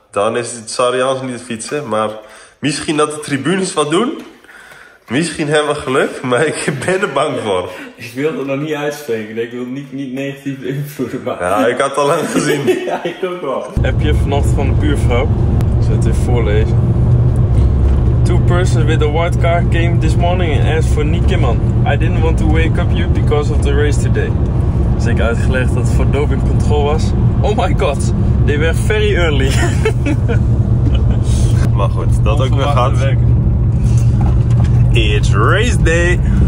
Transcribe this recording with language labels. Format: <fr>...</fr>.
<nl>Dan is het Sarrians niet te fietsen, maar misschien dat de tribunes wat doen. Misschien hebben we geluk, maar ik ben er bang voor. Ik wil het nog niet uitspreken, ik wil niet negatief invloeden. Maar... ja, ik had het al lang gezien. Ja, ik ook wel. Heb je vannacht van de buurvrouw? Ik zal het even voorlezen.</nl> <en>Two persons with a white car came this morning and asked for Niek, Kimmann. I didn't want to wake up you because of the race today.</en> <nl>Dus ik uitgelegd dat het voor doping control was.</nl> <en>Oh my god, they were very early.</en> <nl>Maar goed, dat ook weer gaat.</nl> <en>It's race day!</en>